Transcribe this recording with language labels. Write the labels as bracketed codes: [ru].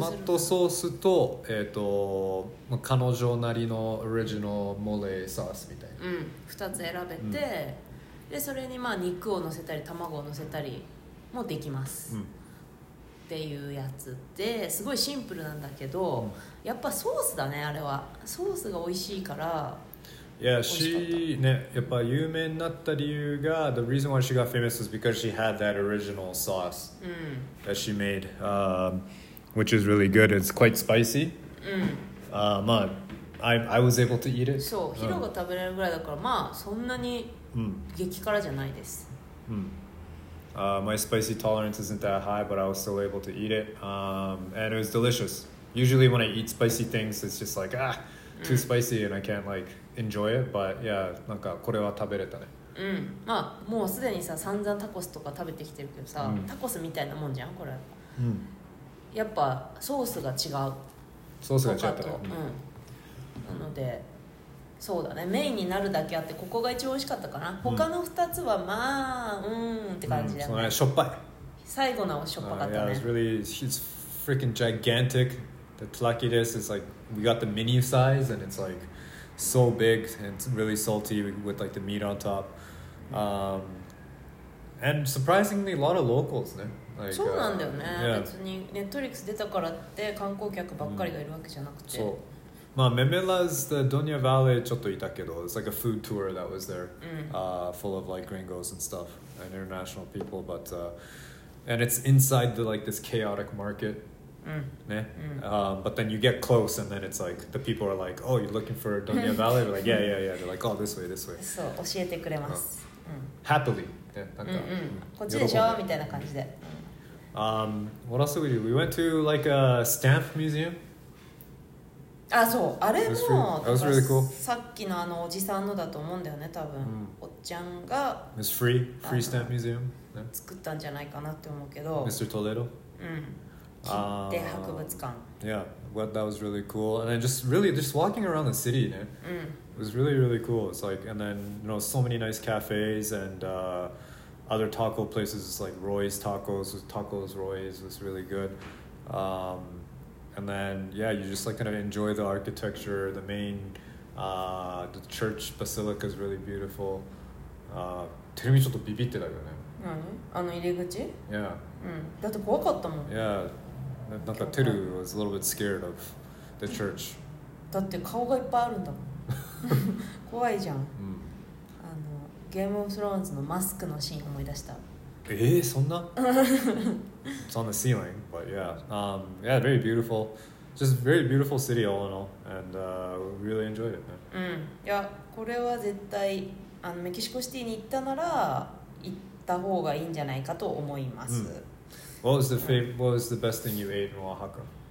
[ja] トマトソースと、彼女なりのオリジナルモレーソースみたいな、うん、2つ選べて、うん、でそれにまあ肉を乗せたり卵を乗せたりもできます、うん、っていうやつですごいシンプルなんだけど、うん、やっぱソースだね、あれはソースが美味しいから。 [en] Yeah, she, [ja] ね、やっぱ有名になった理由が [en] The reason why she got famous was because she had that original sauce、 [ja] うん、 [en] that she made、which is really good, it's quite spicy、 [ja] うん、 [en] まあ、I was able to eat it [ja] そう、ヒロが食べれるぐらいだから、うん、まあそんなに激辛じゃないです、 [en] うん、my spicy tolerance isn't that high, but I was still able to eat it、and it was delicious. Usually when I eat spicy things, it's just like, ah, too spicy and I can't likeenjoy it, but yeah, [ja] なんかこれは食べれたね。うん、まあもうすでにさ、散々タコスとか食べてきてるけどさ、うん、タコスみたいなもんじゃん、これ。うん。やっぱソースが違う。ソースが違ったね。うん。なので、そうだね、メインになるだけあって、ここが一番おいしかったかな。他の2つはまあ、うん、うんって感じだね。うん、そのしょっぱい。最後のはしょっぱかったね。 [en] Yeah, really, it's freaking gigantic. The tlaquitos is like, we got the mini size and it's like,So big and really salty with like the meat on top. And surprisingly, a lot of locals, ね。 [ja] そうなんだよね。別に Netflix 出たからって観光客ばっかりがいるわけじゃなくて。そう。 [en] まあ、Memelas the Doña Vale [ja] ちょっといたけど、 [en] it's like a food tour that was there, full of like gringos and stuff and international people. But, and it's inside the like this chaotic market. [ja] うんねうん [en] but then you get close and then it's like the people are like oh you're looking for Doña Vale like yeah yeah yeah they're like oh this way this way [ja] そう教えてくれます、うん、 happily なんか、うんうん、こっちでしょみたいな感じで、 [en] what else did we do? We went to like a stamp museum [ja] あそうあれも [en] that was really cool. [ja] だからさっきのあのおじさんのだと思うんだよね多分、うん、おっちゃんが [en] it was free free stamp museum [ja] 作ったんじゃないかなって思うけど [en] Mr. Toledo [ja] うん切手博物館。 [en] Yeah, well, that was really cool. And then just walking around the city, ね、うん、 it was really, really cool. It's like, and then, you know, so many nice cafes and、other taco places. It's like Roy's Tacos, Tacos Roy's was really good.、and then, yeah, you just like kind of enjoy the architecture. The main, the church basilica is really beautiful.、 [ja] テルミちょっとビビってたよね。何？あの入り口？ [en] Yeah. [ja] うん。だって怖かったもん。 [en] Yeah. なんかテル was a little bit scared of the church. [ja] だって顔がいっぱいあるんだもん。怖いじゃん。うん。あのゲームオブスローンズのマスクのシーン思い出した。そんな？ [en] It's on the ceiling, but yeah. Yeah, very beautiful. Just very beautiful city all in all. And really enjoyed it. [ja] うん。いや、これは絶対あのメキシコシティに行ったなら行った方がいいんじゃないかと思います。 Mm. [en] What was the favorite, what was the best thing you ate in Oaxaca?